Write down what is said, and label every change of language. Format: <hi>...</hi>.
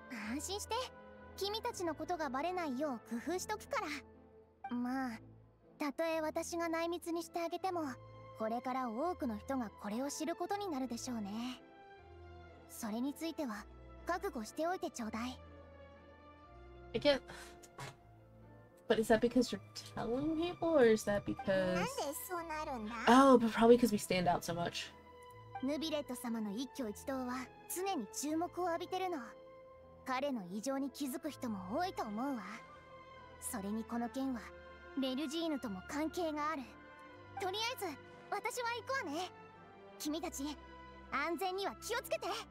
<ja>安心して、君たちのことがバレないよう工夫しとくから。まあ、たとえ私が内密にしてあげても、これから多くの人がこれを知ることになるでしょうね。それについては覚悟しておいてちょうだい。</ja> <en>I can't... But is that because you're telling people, or is that because...</en> <ja>なんでそうなるんだ?</ja> <en>Oh, but probably because we stand out so much.</en> <ja>ヌビレット様の一挙一動は常に注目を浴びてるの。彼の異常に気づく人も多いと思うわ。それにこの件はメルジーヌとも関係がある。とりあえず私は行くわね。君たち安全には気をつけて。</ja>